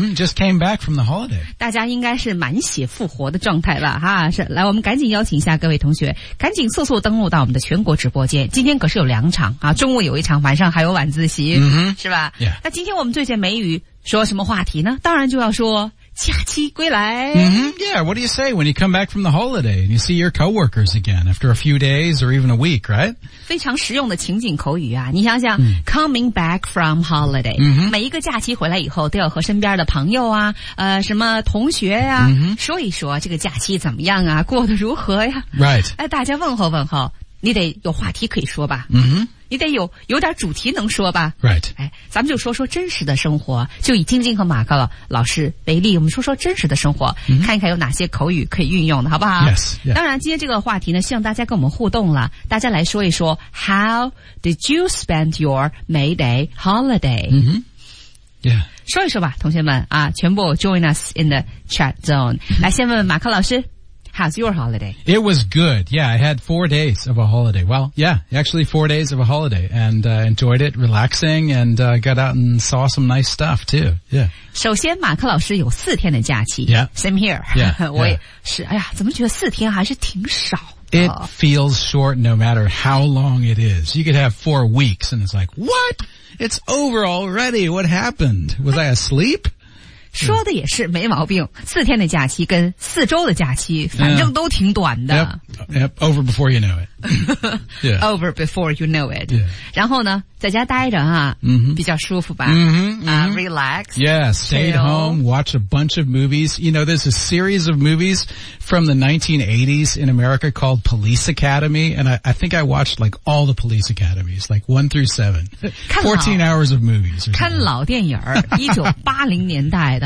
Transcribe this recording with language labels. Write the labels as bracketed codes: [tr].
[en] Just came back from the holiday。 [zh] 大家应该是满血复活的状态了哈，是，来我们赶紧邀请一下各位同学赶紧速速登录到我们的全国直播间，今天可是有两场啊，中午有一场，晚上还有晚自习、是吧、那今天我们最近美语说什么话题呢？当然就要说假期归来。 [en] What do you say when you come back from the holiday and you see your coworkers again after a few days or even a week, right? [zh] 非常实用的情景口语啊，你想想、 [en] coming back from holiday、 [zh] 每一个假期回来以后都要和身边的朋友啊什么同学啊、说一说这个假期怎么样啊，过得如何呀、 [en] right. [zh] 大家问候问候，你得有话题可以说吧。你得有点主题能说吧。 [en] Right. [zh] 哎，咱们就说说真实的生活，就以晶晶和马克老师为例，我们说说真实的生活、看一看有哪些口语可以运用的，好不好 [en] ？Yes. [zh] 当然，今天这个话题呢，希望大家跟我们互动了，大家来说一说 ， [en] How did you spend your May Day holiday？ Yeah. [zh] 说一说吧，同学们啊，全部 [en] join us in the chat zone。 [zh] 来，先问问马克老师。 [en] How's your holiday? It was good. Yeah, I had 4 days of a holiday. Well, yeah, actually 4 days of a holiday and enjoyed it, relaxing, and got out and saw some nice stuff too. Yeah. [zh] 首先马克老师有四天的假期。 [en] Yeah. Same here. Yeah. [zh] 我也是，哎呀，怎么觉得四天还是挺少的。 [en] It feels short no matter how long it is. You could have 4 weeks and it's like, what? It's over already. What happened? Was I asleep? [zh] 说的也是没毛病，四天的假期跟四周的假期反正都挺短的。 [en] Over before you know it. Over before you know it. [zh] 然后呢在家待着啊、比较舒服吧。 [en] Relax. Yeah, stayed home, watch a bunch of movies. You know, there's a series of movies from the 1980s in America called Police Academy, and I think I watched like all the Police Academies, like 1 through 7. 14 hours of movies. [zh] 看老电影1980年代